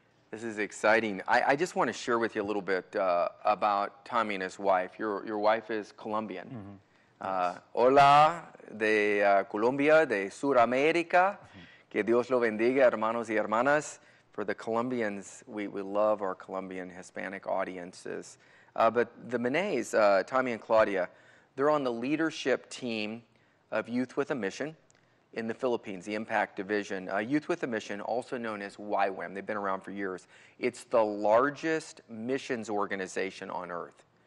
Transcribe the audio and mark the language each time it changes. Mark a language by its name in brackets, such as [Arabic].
[English] This is exciting. I just want to share with you a little bit about Tommy and his wife. Your wife is Colombian. [Spanish] Hola de Colombia, de Suramérica. Que Dios lo bendiga, hermanos y hermanas. [English] For the Colombians, we love our Colombian Hispanic audiences. But the Manets, Tommy and Claudia, they're on the leadership team of Youth with a Mission in the Philippines, the Impact Division. Youth with a Mission, also known as YWAM, they've been around for years. It's the largest missions organization on earth.